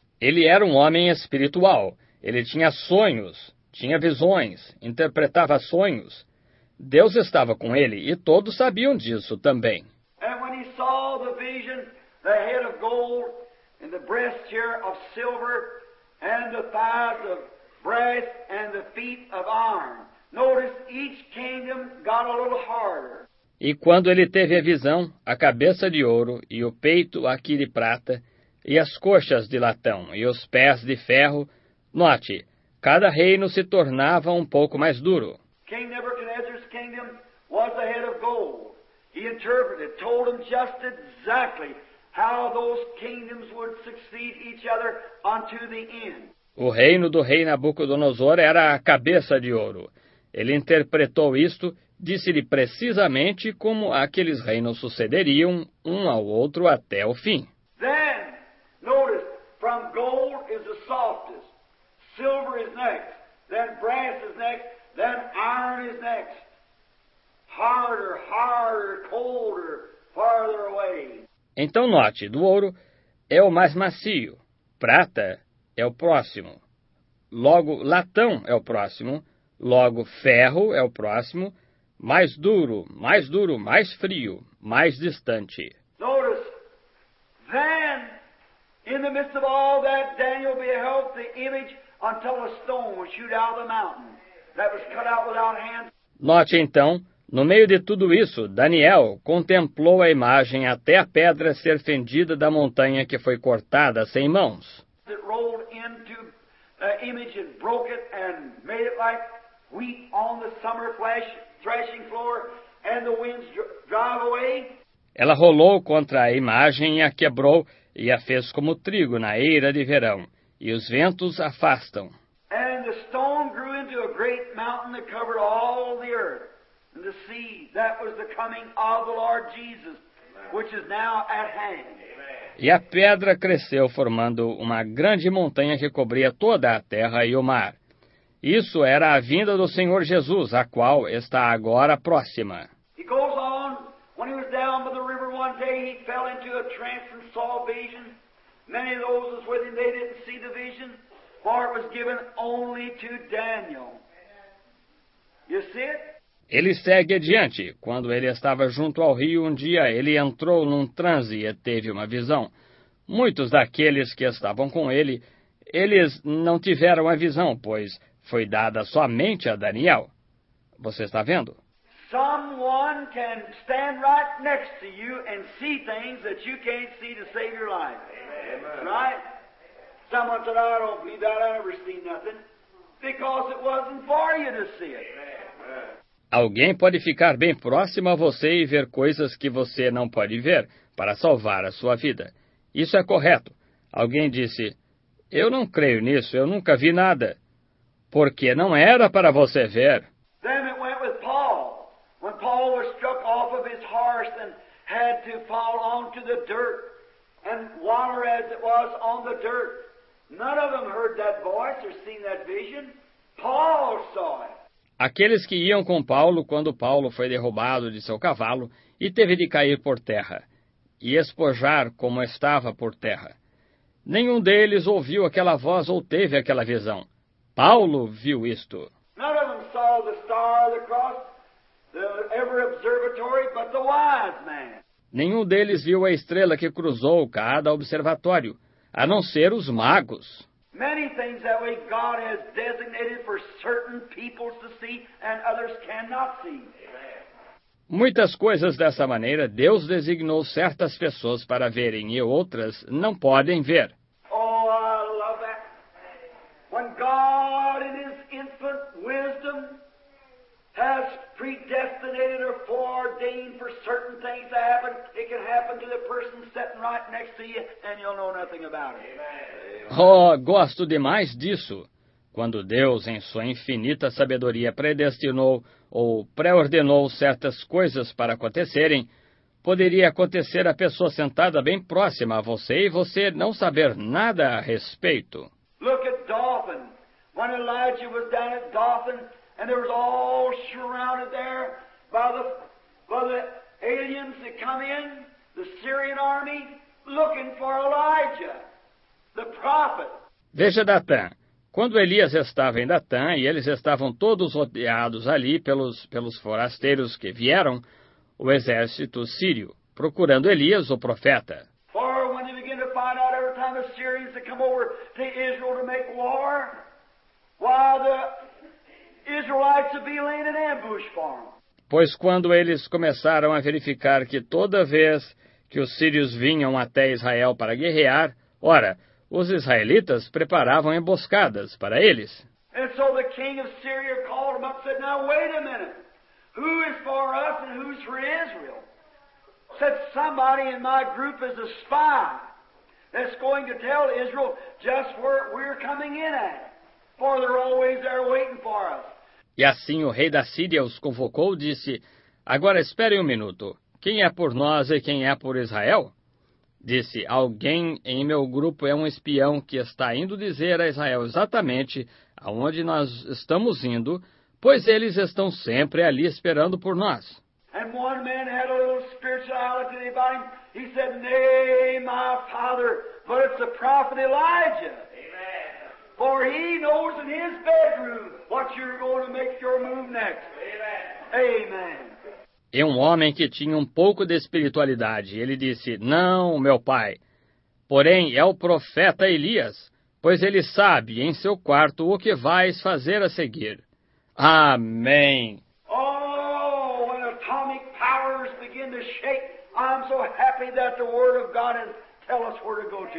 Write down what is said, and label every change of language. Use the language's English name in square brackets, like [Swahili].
[Portuguese] Ele era um homem espiritual. Ele tinha sonhos, tinha visões, interpretava sonhos. Deus estava com ele e todos sabiam disso também. [English] And when he saw the vision, the head of gold and the breast here of silver and the thighs of brass and the feet of iron. Notice each kingdom got a little harder. [Portuguese] E quando ele teve a visão, a cabeça de ouro e o peito aqui de prata e as coxas de latão e os pés de ferro, note, cada reino se tornava um pouco mais duro. [English] King Nebuchadnezzar's kingdom was the head of gold. He interpreted, told him just exactly how those kingdoms would succeed each other unto the end. [Portuguese] O reino do rei Nabucodonosor era a cabeça de ouro. Ele interpretou isto, disse-lhe precisamente como aqueles reinos sucederiam um ao outro até o fim. [English] Then, notice, from gold is the softest. Silver is next, then brass is next, then iron is next. Harder, harder, colder, farther away. [Portuguese] Então note, do ouro é o mais macio, prata é o próximo, logo latão é o próximo, logo ferro é o próximo, mais duro, mais frio, mais distante. [English] Notice, then, in the midst of all that, Daniel beheld the image until a stone was shoot out of the mountain that was cut out without hands. [Portuguese] Note então, no meio de tudo isso, Daniel contemplou a imagem até a pedra ser fendida da montanha que foi cortada sem mãos. [English] It rolled into the image and broke it and made it like wheat on the summer threshing floor and the winds drive away. [Portuguese] Ela rolou contra a imagem e a quebrou e a fez como trigo na eira de verão. E os ventos afastam. [English] And the stone grew into a great mountain that covered all the earth and the sea. That was the coming of the Lord Jesus, which is now at hand. Amen. [Portuguese] E a pedra cresceu formando uma grande montanha que cobria toda a terra e o mar. Isso era a vinda do Senhor Jesus, a qual está agora próxima. [English] He goes on, when he was down by the river one day, he fell into a trance and saw visions. Many of those with him, they didn't see the vision, for it was given only to Daniel. You see it? [Portuguese] Ele segue adiante. Quando ele estava junto ao rio um dia, ele entrou num transe e teve uma visão. Muitos daqueles que estavam com ele, eles não tiveram a visão, pois foi dada somente a Daniel. Você está vendo? [English] Someone can stand right next to you and see things that you can't see to save your life. Amen. Right? Someone said, I don't believe that. I never seen nothing. Because it wasn't for you to see it. Amen. [Portuguese] Alguém pode ficar bem próximo a você e ver coisas que você não pode ver para salvar a sua vida. Isso é correto. Alguém disse, eu não creio nisso, eu nunca vi nada. Porque não era para você ver. [English] Then it went with Paul. When Paul was struck off of his horse and had to fall onto the dirt and water as it was on the dirt. None of them heard that voice or seen that vision. Paul saw it. [Portuguese] Aqueles que iam com Paulo quando Paulo foi derrubado de seu cavalo e teve de cair por terra e espojar como estava por terra. Nenhum deles ouviu aquela voz ou teve aquela visão. Paulo viu isto. [English] None of them saw the star, the cross, the every observatory, but the wise man. [Portuguese] Nenhum deles viu a estrela que cruzou cada observatório, a não ser os magos. [English] Many things that way God has designated for certain people to see and others cannot see. [Portuguese] Muitas coisas dessa maneira Deus designou certas pessoas para verem e outras não podem ver. [English] Oh, I love that. When God in his infinite wisdom has predestinated or foreordained for certain things to happen, it can happen to the person sitting right next to you and you'll know nothing about it. Amen. [Portuguese] Oh, gosto demais disso. quando Deus, em sua infinita sabedoria, predestinou ou pré-ordenou certas coisas para acontecerem, poderia acontecer a pessoa sentada bem próxima a você e você não saber nada a respeito. [English] Look at Dothan. When Elijah was down at Dothan, and there was all surrounded there by the aliens that come in, the Syrian army, looking for Elijah, the prophet. [Portuguese] Veja Datan. Quando Elias estava em Datan e eles estavam todos rodeados ali pelos forasteiros que vieram, o exército sírio, procurando Elias, o profeta. [English] Or when they begin to find out every time the Syrians that come over to Israel to make war, while the Israelites would be laying an ambush for them. [Portuguese] Pois quando eles começaram a verificar que toda vez que os sírios vinham até Israel para guerrear, ora, os israelitas preparavam emboscadas para eles. [English] And so the king of Syria called them up and said, now wait a minute, who is for us and who's for Israel? Said, somebody in my group is a spy that's going to tell Israel just where we're coming in at, for they're always there waiting for us. [Portuguese] E assim o rei da Síria os convocou e disse, agora esperem um minuto, quem é por nós e quem é por Israel? Disse, alguém em meu grupo é um espião que está indo dizer a Israel exatamente aonde nós estamos indo, pois eles estão sempre ali esperando por nós. E um homem tinha uma pequena espiritualidade sobre ele, ele disse, nay, meu pai, mas é o profeta Elijah. [English] For he knows in his bedroom what you're going to make your move next. Amen. Amen. [Portuguese] E um homem que tinha um pouco de espiritualidade, ele disse, não, meu pai, porém é o profeta Elias, pois ele sabe em seu quarto o que vais fazer a seguir. Amém. [English] Oh, when atomic powers begin to shake, I'm so happy that the word of God has tell us where to go to.